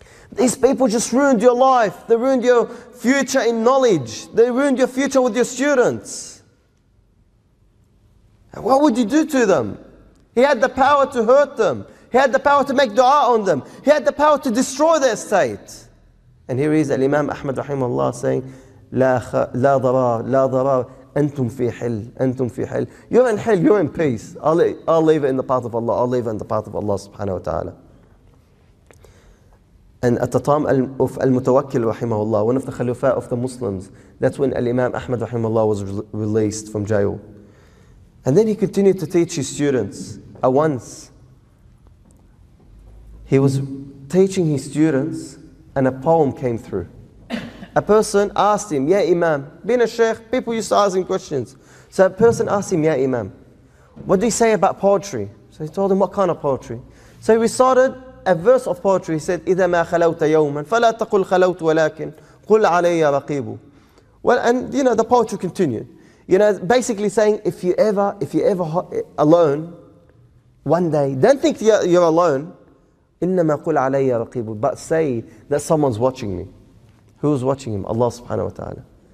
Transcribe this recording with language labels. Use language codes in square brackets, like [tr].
[en] These people just ruined your life. They ruined your future in knowledge. They ruined your future with your students. And what would you do to them? He had the power to hurt them. He had the power to make dua on them. He had the power to destroy their state. And here is Al-Imam Ahmad rahimahullah saying, [ar] لا ضرار, لا ضرار, أنتم في حل, [en] أنتم في حل. You're in hell, you're in peace. I'll leave it in the path of Allah. I'll leave it in the path of Allah subhanahu wa ta'ala. And At-Tatam of Al-Mutawakkil rahimahullah, one of the khalifa of the Muslims, that's when Al-Imam Ahmad rahimahullah was released from jail. And then he continued to teach his students. At once, he was teaching his students and a poem came through. A person asked him, ya Imam, being a sheikh, people used to ask him questions. So a person asked him, ya Imam, what do you say about poetry? So he told him, what kind of poetry? So he recited a verse of poetry. [ar] He said, إِذَا مَا خَلَوْتَ يَوْمًا فَلَا تَقُلْ خَلَوْتُ وَلَكِنْ قُلْ عَلَيَّ رَقِيبُ. [en] Well, and you know, the poetry continued. You know, basically saying, if you ever alone, one day, don't think you're alone. [ar] إِنَّمَا قُلْ عَلَيَّ رَقِيبُ. [en] But say that someone's watching me. Who's watching him? Allah subhanahu wa ta'ala.